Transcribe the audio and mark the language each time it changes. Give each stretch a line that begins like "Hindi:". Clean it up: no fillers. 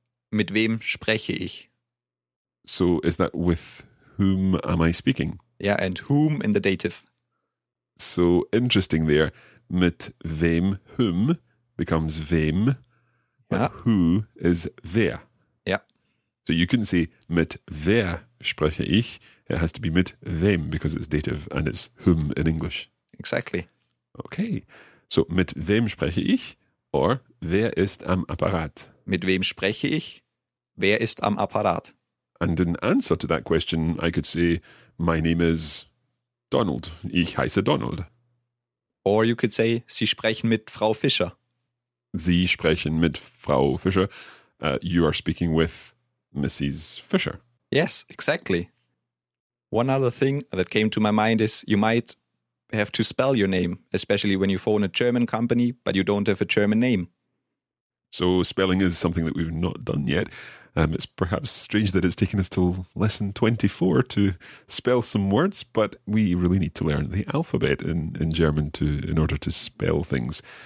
German: Mit wem spreche ich?
English: So is that with whom am I speaking? Yeah, and whom in the dative. So interesting there.
German: Mit wem,
English: whom becomes wem, but yeah. Who is wer. Yeah. So you can say
German: mit wer spreche ich.
English: It has to be
German: mit wem
English: because it's dative and it's whom in English. Exactly. Okay.
German: So mit wem spreche ich or wer ist am Apparat? Mit wem spreche ich? Wer ist am Apparat?
English: And in answer to that question, I could say, my name is Donald.
German: Ich heiße Donald.
English: Or you could say,
German: Sie sprechen mit Frau Fischer. Sie sprechen mit Frau Fischer.
English: You are speaking with Mrs. Fischer. Yes, exactly. One other thing that came to my mind is you might have to spell your name, especially when you phone a German company, but you don't have a German name. So spelling is something that we've not done yet. It's perhaps strange that it's taken us till lesson 24 to spell some words, but we really need to learn the alphabet in German in order to spell things.